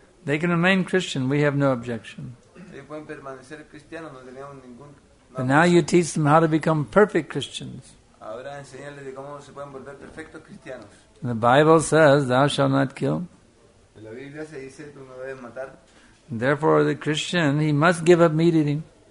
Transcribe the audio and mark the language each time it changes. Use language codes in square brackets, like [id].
[en] They can remain Christian, we have no objection. [es] Ellos pueden permanecer cristianos, no tenemos ningún... [en] But now you teach them how to become perfect Christians. [es] Ahora enseñarles de cómo se pueden volver perfectos cristianos. [en] The Bible says, thou shalt not kill. [es] La Biblia se dice, tú no debes matar. [en] Therefore, the Christian, he must give up meat eating.